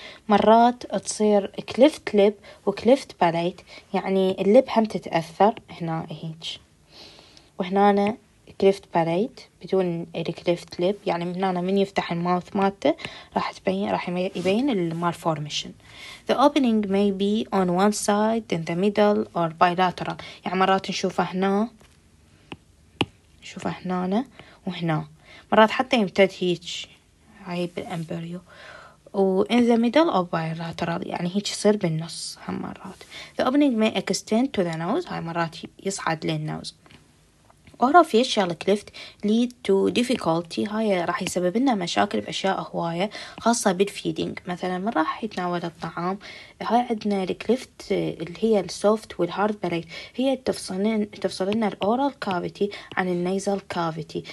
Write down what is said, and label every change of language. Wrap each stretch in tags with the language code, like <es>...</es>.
<ar>مرات تصير كليفت لب وكليفت باليت، يعني اللب هم تتاثر هنا هيك وهنا كليفت باليت بدون الكليفت ليب، يعني من هنا من يفتح الماوث مالته راح يبين المالفورميشن.</ar> <en>The opening may be on one side in the middle or bilateral،</en> <ar>يعني مرات نشوفه هنا وهنا، مرات حتى يمتد هيك هاي بالامبريو، و</ar> <en>in the middle or bilateral</en> <ar>يعني هيك يصير بالنص. هم مرات</ar> <en>the opening may extend to the nose،</en> <ar>هاي مرات يصعد للنوز.</ar> <en>Orofacial cleft lead to difficulty،</en> <ar>هاي راح يسبب لنا مشاكل بأشياء هواية خاصة بالفيدينج. مثلا من راح يتناول الطعام، هاي عندنا الكليفت اللي هي السوفت والهارد باليت، هي تفصل لنا الأورال كافيتي عن النيزل كافيتي.</ar>